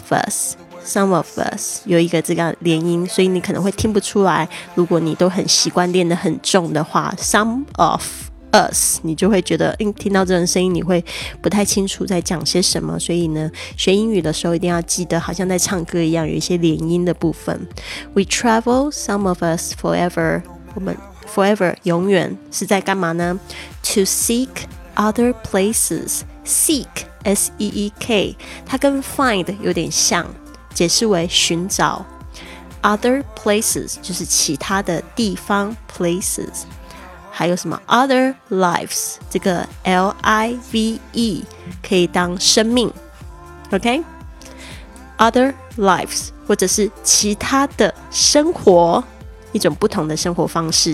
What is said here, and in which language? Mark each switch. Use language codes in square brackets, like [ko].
[en] Some of us, [zh] 有一个这个连音，所以你可能会听不出来。如果你都很习惯练得很重的话 , [en] some of. [zh] Us, 你就会觉得听到这种声音你会不太清楚在讲些什么，所以呢学英语的时候一定要记得好像在唱歌一样，有一些连音的部分。 [en] We travel, some of us forever, 我们 forever [zh] 永远是在干嘛呢？ [en] To seek other places. [zh] Seek, S-E-E-K, 它跟 find 有点像，解释为寻找。 [en] Other places [zh] 就是其他的地方， places还有什么 [en] other lives， [zh] 这个 L-I-V-E 可以当生命， OK， other lives 或者是其他的生活，一种不同的生活方式。